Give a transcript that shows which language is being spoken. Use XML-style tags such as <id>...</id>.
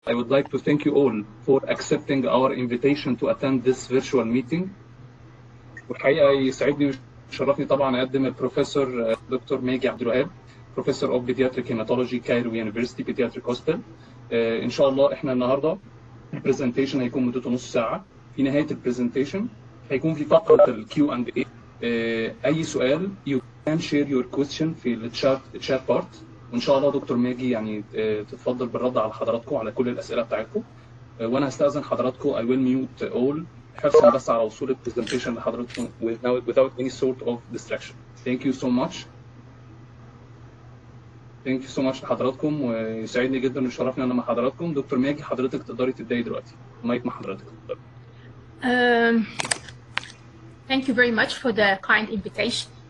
<en>I would like to thank you all for accepting our invitation to attend this virtual meeting.</en> <ar>وحقيقة يسعدني ويشرفني طبعا أقدم البروفيسور دكتور ماجي عبد الوهاب</ar> <en>Professor of paediatric haematology Cairo university paediatric hospital.</en> <ar>إن شاء الله إحنا النهاردة البرزنتيشن هيكون مدته نص ساعة. في نهاية البرزنتيشن هيكون في فقرة الـ Q&A. أي سؤال</ar> <en>you can share your question</en> <ar>في الشات بارت وإن شاء الله دكتور ماجي يعني تتفضل بالرد على حضراتكم على كل الأسئلة بتاعتكم وأنا هستأذن حضراتكم</ar> <en>I will mute all</en> <ar>حفظا بس على وصول البرزنتيشن لحضراتكم</ar> <en>without any sort of distraction. Thank you so much. Thank you so much</en> <ar>لحضراتكم ويسعدني جدا وشرفني أنا مع حضراتكم. دكتور ماجي حضرتك تقدري تبدأي دلوقتي. المايك مع حضرتك.</ar> <en>Thank you very much for the kind invitation.</en>